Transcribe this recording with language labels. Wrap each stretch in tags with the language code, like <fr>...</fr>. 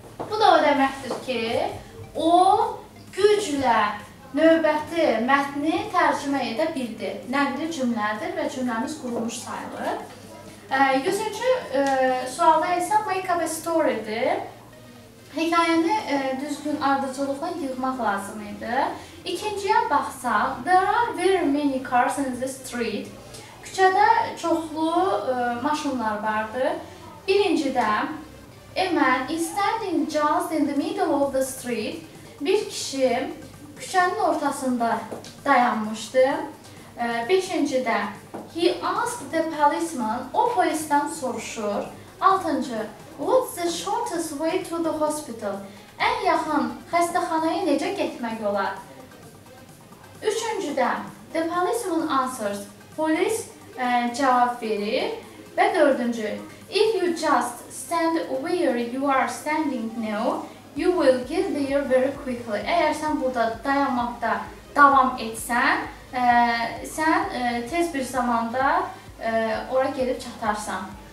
<az>Bu da o deməkdir ki, o güclə növbəti mətni tərcümə edə bildi. Nəqli cümlədir və cümləmiz qurulmuş sayılır. 100-cü sualda isə make up a story-dir. Hekayəni düzgün ardıcılıqla yığmaq lazım idi. İkinciyə baxsaq,</az> <en>there are very many cars in the street.</en> <az>Küçədə çoxlu maşınlar vardır. Birincidə,</az> <en>a man is standing just in the middle of the street.</en> <az>Bir kişi küçənin ortasında dayanmışdı. Beşincidə,</az> <en>he asked the policeman,</en> <az>o polisdən soruşur. Altıncı,</az> <en>what's the shortest way to the hospital?</en> <az>Ən yaxın xəstəxanaya necə getmək olar? Üçüncüdə,</az> <en>the policeman answers,</en> <az>polis cavab verir. Və dördüncü,</az> <en>if you just stand where you are standing now, you will get there very quickly.</en> <az>Əgər sən burada dayanmaqda davam etsən, sən tez bir zamanda ora gedib çatarsan.</az>